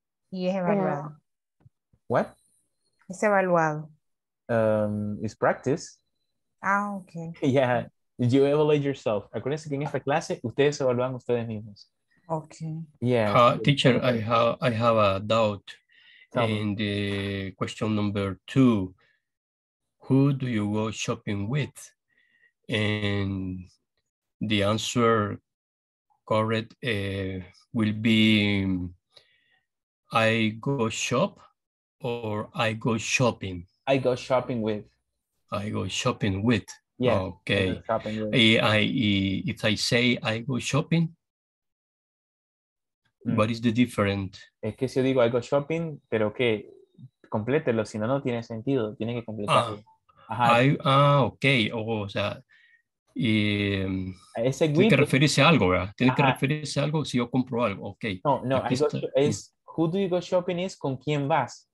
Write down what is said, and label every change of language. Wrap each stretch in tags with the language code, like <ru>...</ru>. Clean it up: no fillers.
<es>Y es evaluado. Yeah.</es> <en>What?</en> <es>Es evaluado.</es> <en>It's practice. Ah, ok. Yeah, you evaluate yourself.</en> <es>Acuérdense que en esta clase, ustedes evalúan ustedes mismos. Ok. Yeah.</es> <en>Teacher, I have a doubt. Tell in me. The question number two, who do you go shopping with? And the answer correct will be I go shop or I go shopping. I go shopping with. I go shopping with. Yeah. Okay. If I say I go shopping, what is the difference?</en> <es>Es que si yo digo</es> <en>I go shopping,</en> <es>pero que complételo, si no, no tiene sentido. Tiene que completarlo. Okay. Oh, o sea, y, ese tiene que referirse a algo, ¿verdad? Tiene que referirse a algo si yo compro algo. Okay.</es> <en>No, no. Who do you go shopping is</en> <es>con quién vas.</es>